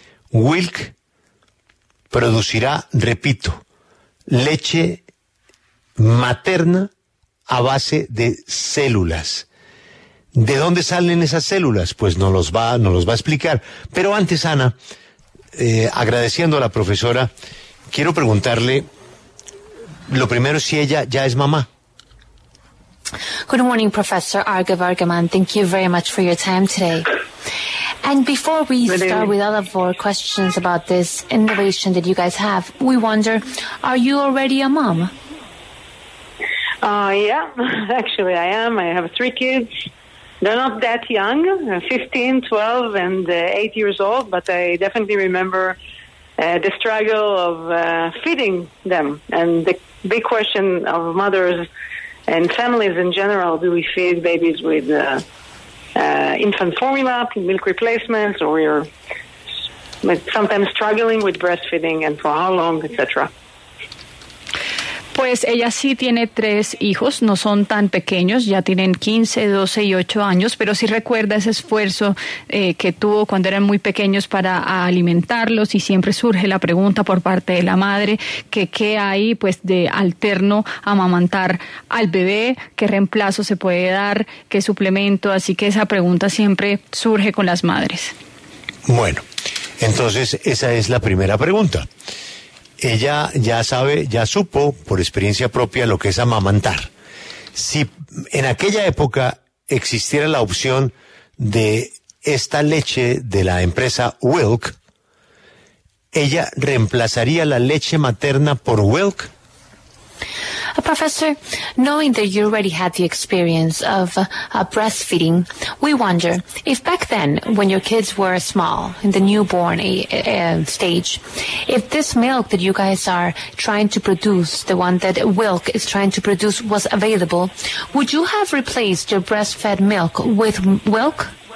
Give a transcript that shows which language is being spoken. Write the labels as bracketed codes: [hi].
[es] Wilk producirá, repito, leche materna a base de células. ¿De dónde salen esas células? Pues nos los va a explicar. Pero antes, Ana, agradeciendo a la profesora, quiero preguntarle lo primero si ella ya es mamá. [en] Good morning, Professor Arga Vargaman. Thank you very much for your time today. And before we start with all of our questions about this innovation that you guys have, we wonder, are you already a mom? Yeah, actually I am. I have three kids. They're not that young, 15, 12, and 8 years old, but I definitely remember the struggle of feeding them. And the big question of mothers and families in general, do we feed babies with infant formula, milk replacements, or we're sometimes struggling with breastfeeding, and for how long, etc.? [es] Pues ella sí tiene tres hijos, no son tan pequeños, ya tienen 15, 12 y 8 años, pero sí recuerda ese esfuerzo que tuvo cuando eran muy pequeños para alimentarlos, y siempre surge la pregunta por parte de la madre que qué hay pues de alterno a amamantar al bebé, qué reemplazo se puede dar, qué suplemento, así que esa pregunta siempre surge con las madres. Bueno, entonces esa es la primera pregunta. Ella ya sabe, ya supo por experiencia propia lo que es amamantar. Si en aquella época existiera la opción de esta leche de la empresa Wilk, ¿ella reemplazaría la leche materna por Wilk? [en] Professor, knowing that you already had the experience of breastfeeding, we wonder if back then, when your kids were small, in the newborn stage, if this milk that you guys are trying to produce, the one that Wilk is trying to produce, was available, would you have replaced your breastfed milk with Wilk?